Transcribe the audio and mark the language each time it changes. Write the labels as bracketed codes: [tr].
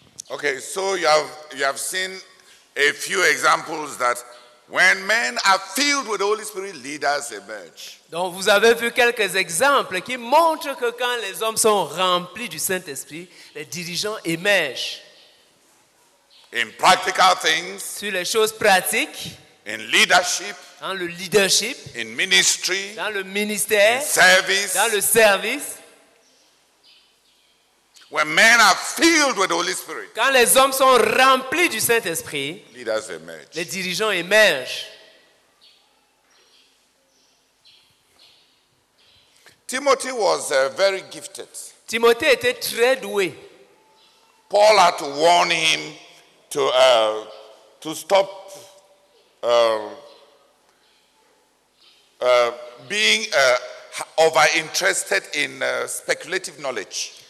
[en] Okay, so you have seen a few examples that when men are filled with the Holy Spirit, leaders emerge. [fr] Donc vous avez vu quelques exemples qui montrent que quand les hommes sont remplis du Saint-Esprit, les dirigeants émergent. [en] In practical things. [fr] Sur les choses pratiques. [en] In leadership. [fr] Dans le leadership. [en] In ministry. [fr] Dans le ministère. [en] In service. [fr] Dans le service. [en] When men are filled with the Holy Spirit. [fr] Quand les hommes sont remplis du Saint-Esprit. [en] Leaders emerge. [fr] Les dirigeants émergent. [en] Timothy was very gifted. [fr] Timothée était très doué. [en] Paul had to warn him to stop being over interested in speculative knowledge.